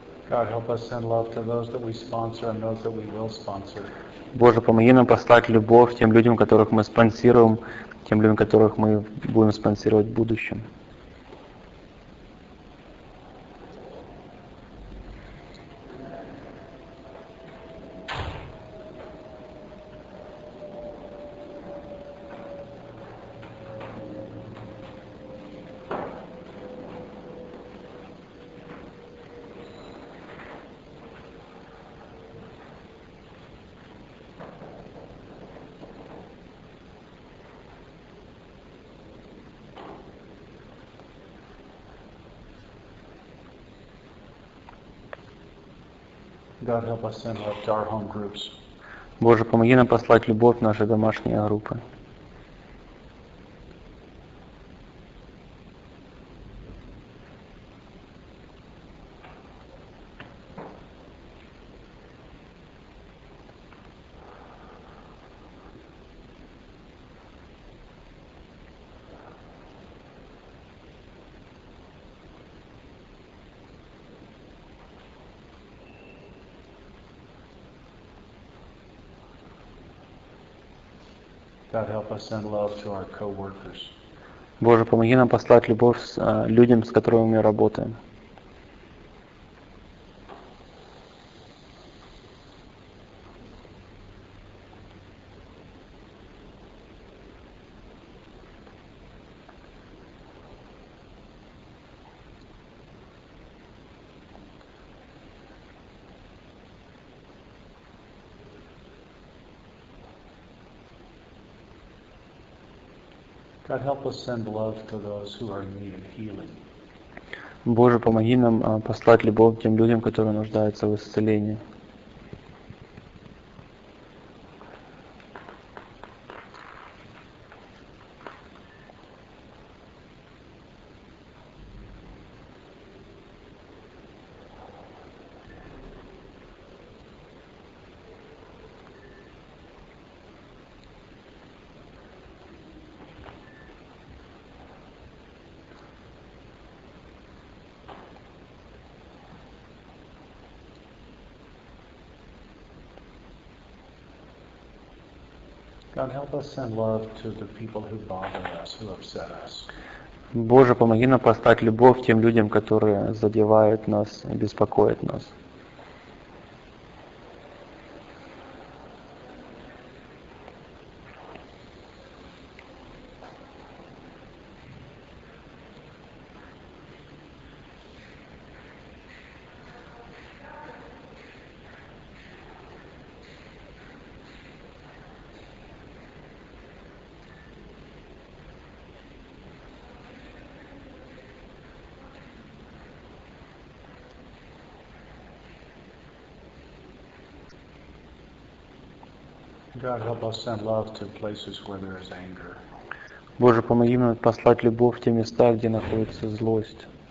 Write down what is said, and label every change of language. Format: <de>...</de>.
<en>God, help us send love to those that we sponsor and those that we will sponsor.</en> <ru>Боже, помоги нам послать любовь тем людям, которых мы спонсируем, тем людям, которых мы будем спонсировать в будущем.</ru> <en>God, help us send love to our home groups.</en> <ru>Боже, помоги нам послать любовь в наши домашние группы.</ru> <en>God, help us send love to our co-workers.</en> <ru>Боже, помоги нам послать любовь с людям, с которыми мы работаем.</ru> <en>God, help us send love to those who are in need of healing.</en> <ru>Боже, помоги нам послать любовь тем людям, которые нуждаются в исцелении.</ru> <en>God, help us send love to the people who bother us, who upset us.</en> <ru>Боже, помоги нам послать любовь тем людям, которые задевают нас и беспокоят нас.</ru> <en>God, help us send love to places where there is anger.</en> <ru>Боже, помоги нам послать любовь в те места, где находится злость.</ru>